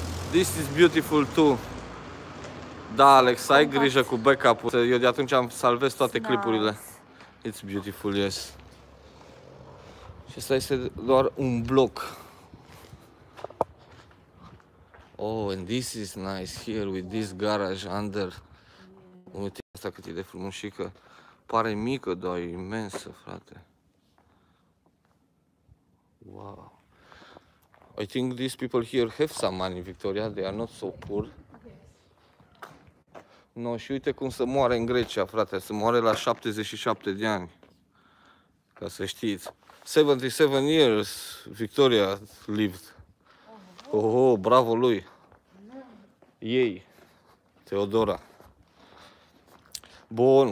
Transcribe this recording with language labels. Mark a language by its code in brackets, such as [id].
[en] This is beautiful too. [ro] Da, Alex, ai grijă cu backup-ul. Eu de atunci am salvez toate clipurile. [en] It's beautiful, yes. [ro] Și ăsta este doar un bloc. [en] Oh, and this is nice here with this garage under. [ro] Uite asta cât e de frumușică. Pare mică, dar e imensă, frate. [en] Wow. I think these people here have some money, Victoria. They are not so poor. [ro] No, și uite cum se moare în Grecia, frate. Se moare la 77 de ani. Ca să știți. [en] 77 years Victoria lived. [ro] Oh, bravo lui. Ei. Teodora. Bun.